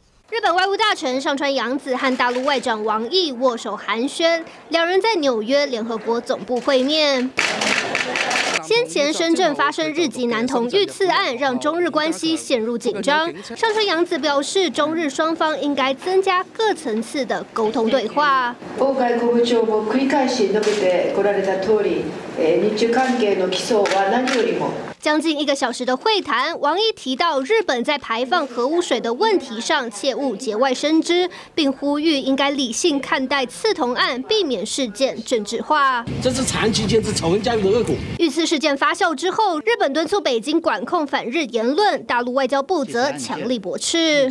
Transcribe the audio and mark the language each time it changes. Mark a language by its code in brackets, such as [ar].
[zh] 日本外务大臣上川洋子和大陆外长王毅握手寒暄，两人在纽约联合国总部会面。先前深圳发生日籍男童遇刺案，让中日关系陷入紧张。上川洋子表示，中日双方应该增加各层次的沟通对话。 [ja] 王外国部長も繰り返し述べてこられた通り、日中関係の基礎は何よりも。 [zh] 将近一个小时的会谈，王毅提到日本在排放核污水的问题上切勿节外生枝，并呼吁应该理性看待刺童案，避免事件政治化。这是长期建制仇恨教育的恶果。遇刺事件发酵之后，日本敦促北京管控反日言论，大陆外交部则强力驳斥。